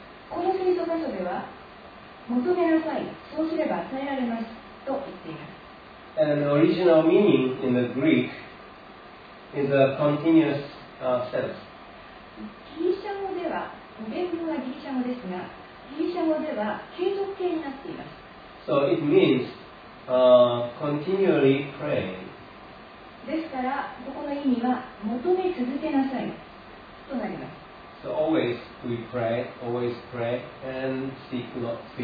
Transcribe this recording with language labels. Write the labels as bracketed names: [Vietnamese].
[Japanese] この聖書箇所では、求めなさい、そうすれば与えられますと言っています。 [English] And the original meaning in the Greek is a continuous sense. [Japanese] ギリシャ語では、原文はギリシャ語ですが、ギリシャ語では継続形になっています。 [English] So it means,continually praying. [Japanese] ですからここの意味は求め続けなさいとなります。 [English] So always we pray, always pray and seek the Lord.